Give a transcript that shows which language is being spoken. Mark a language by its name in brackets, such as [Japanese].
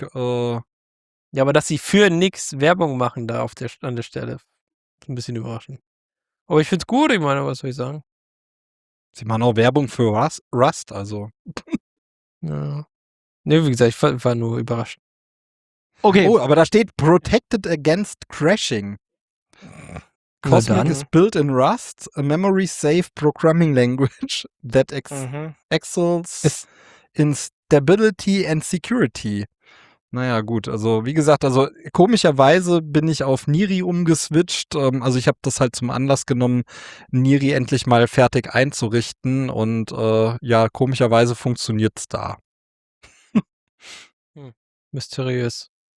[German] Ja, aber dass sie für Nix Werbung machen da an der Stelle, ist ein bisschen überraschend. Aber ich finde es gut, ich meine, was soll ich sagen? Sie machen auch Werbung für Rust, also. Ja. Ne, wie gesagt, ich war nur überrascht. Okay. Oh, aber da steht [English] Protected Against Crashing. Cosmic is built in Rust, a memory-safe programming language that excels in stability and security. [German] Naja, gut, also wie gesagt, also komischerweise bin ich auf Niri umgeswitcht. Also ich habe das halt zum Anlass genommen, Niri endlich mal fertig einzurichten. Und komischerweise funktioniert es da. Mysteriös.